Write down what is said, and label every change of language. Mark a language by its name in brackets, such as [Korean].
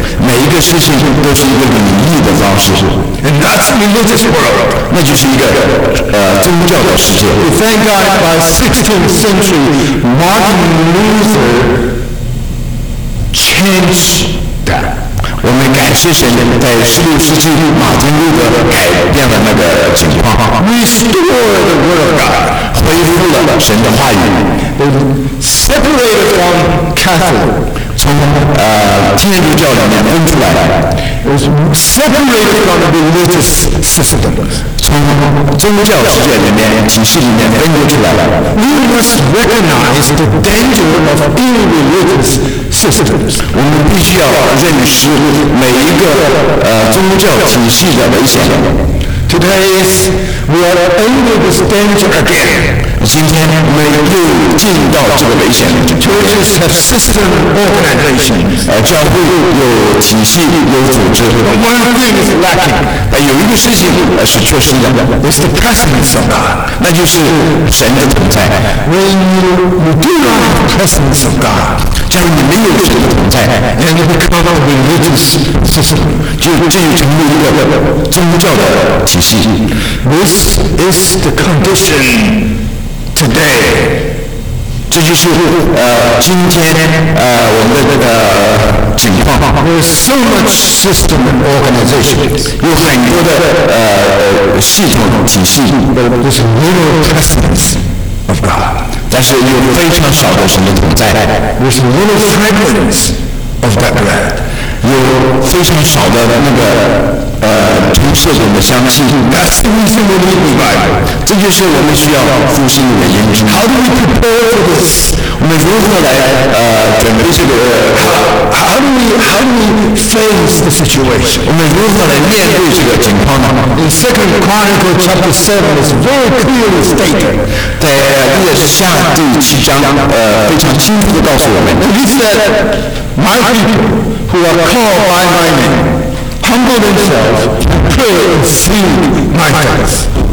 [Chinese] 每一个事情都是一个礼仪的方式。 [English] And that's religious world. [Chinese] 那就是一个宗教的世界。 [English] We thank God by 16th century, Martin Luther changed that. [Chinese] 我们感谢神，在16世纪马丁路德改变了那个情况。 [English] Restore the word of God. [Chinese] 恢复了神的话语。 [English] Separated from Catholic, [Chinese] 从基督教里面分出来的 [English] ，is separated from the religious system, [Chinese] 从宗教世界里面体系里面分离出来了。 [English] We must recognize the danger of irreligious systems. [Chinese] 我们必须要认识每一个宗教体系的危险。 [English] Today, we are under this danger again. [Chinese] 今天我们又进到这个危险里面。 [English] Churches have system organization. [Chinese] 教会有体系，有组织。 [English] One thing is lacking. [Chinese] 有一个事情是缺失的。 [English] It's the presence of God. [Chinese] 那就是神的存在。 [English] When you do not have the presence of God, [Chinese] 假如你没有神的存在 [English] ，and you become a religious system, [Chinese] 就成为一个宗教的体系。 [English] This is the condition. Today, [Chinese] 这就是今天我们的这个情况。 [English] There's so much system and organization. [Chinese] 有很多的系统体系。 [English] There's little presence of God. [Chinese] 但是有非常少的神的存在。 [English] There's little fragments of that bread. [Chinese] 有非常少的那个。充斥我们的香气 [English] That's the reason we need the Bible. [Chinese] 这就是我们需要复兴的原因。 [English] How do we prepare for this? [Chinese] 我们如何来准备这个 [English] How do we face the situation? [Chinese] 我们如何来面对这个情况呢 [English] In 2 Chronicles chapter 7 is very clearly stated. [Chinese] 在列下第七章非常清楚地告诉我们 [English] He said, My people who are called by my name,Humble themselves and pray and see my eyes.